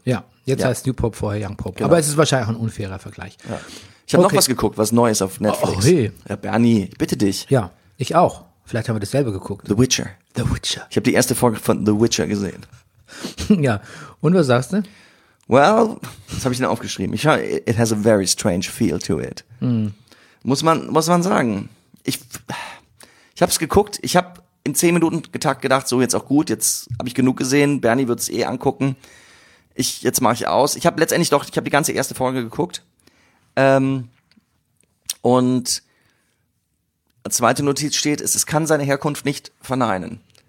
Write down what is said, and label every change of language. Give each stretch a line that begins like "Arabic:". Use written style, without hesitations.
German: Ja, jetzt heißt New Pope vorher Young Pope. Genau. Aber es ist wahrscheinlich auch ein unfairer Vergleich. Ja. Ich habe noch was geguckt, was Neues auf Netflix. Oh, hey. Ja, Bernie, ich bitte dich. Ja, ich auch. Vielleicht haben wir dasselbe geguckt. The Witcher. The Witcher. Ich habe die erste Folge von The Witcher gesehen. Ja, und was sagst du? Well, das habe ich dann aufgeschrieben. Ich habe,
English: it has a very strange feel to it.
German: Mm. Muss man sagen. Ich habe es geguckt. Ich habe in 10 Minuten getakt gedacht, so jetzt auch gut. Jetzt habe ich genug gesehen. Bernie wird es eh angucken. Jetzt mache ich aus. Ich habe letztendlich doch, ich habe die ganze erste Folge geguckt. Und als zweite Notiz steht, es kann seine Herkunft nicht verneinen.